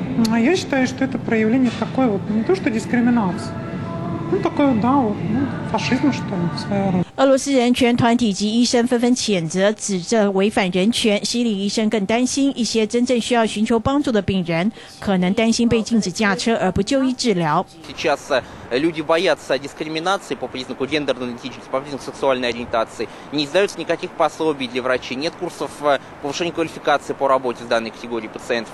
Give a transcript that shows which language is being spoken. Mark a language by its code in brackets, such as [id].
[ru] Я считаю, что это проявление такой вот не то что дискриминации, [zh] 俄罗斯人权团体及医生纷纷谴责，指责违反人权。西里医生更担心，一些真正需要寻求帮助的病人，可能担心被禁止驾车而不就医治疗。 [ru] Люди боятся дискриминации по признаку гендерной идентичности, по признаку сексуальной ориентации. Не издаются никаких пособий для врачей, нет курсов повышения квалификации по работе с данной категорией пациентов.